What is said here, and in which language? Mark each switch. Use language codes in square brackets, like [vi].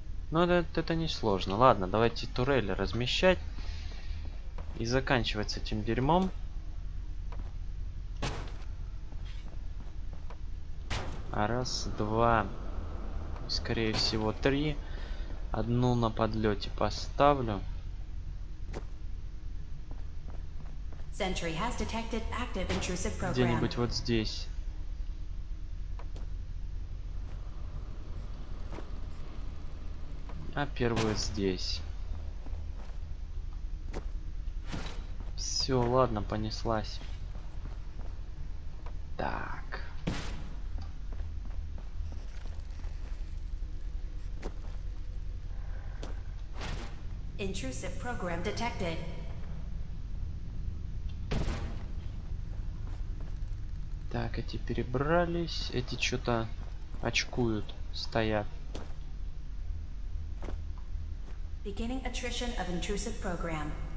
[ru] Ну, это не сложно. Ладно, давайте турели размещать. И заканчивать с этим дерьмом. Раз, два, скорее всего, три. Одну на подлете поставлю. [en] Sentry has detected active intrusive program. [ru] Где-нибудь вот здесь. А первую здесь. Все, ладно, понеслась. Так. [en] Intrusive program detected. [ru] Так, эти перебрались, эти что-то очкуют, стоят. [en] Beginning attrition of intrusive program.